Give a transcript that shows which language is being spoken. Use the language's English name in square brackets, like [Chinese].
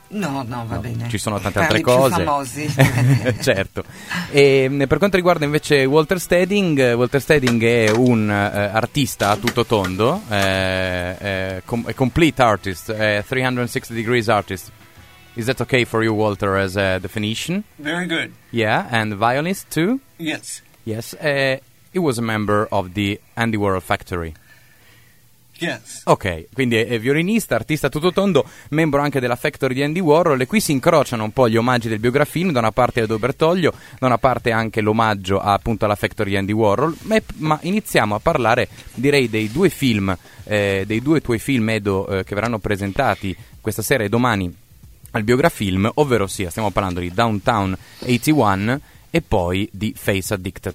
[Italian] No, va bene. Ci sono tante altre cose. Più famosi. Certo. E per quanto riguarda invece Walter Steading è un artista a tutto tondo, è [English] complete artist, 360 degrees artist. Is that okay for you, Walter, as a definition? Very good. Yeah, and violinist too? Yes. Yes, he was a member of the Andy Warhol Factory. Yes. [Italian] Ok, quindi è violinista, artista tutto tondo, membro anche della Factory di Andy Warhol. E qui si incrociano un po' gli omaggi del Biografilm, da una parte Edo Bertoglio, da una parte anche l'omaggio appunto alla Factory di Andy Warhol. Ma iniziamo a parlare, direi, dei due film, dei due tuoi film, Edo, che verranno presentati questa sera e domani al Biografilm, ovvero sia, stiamo parlando di Downtown 81 e poi di Face Addict.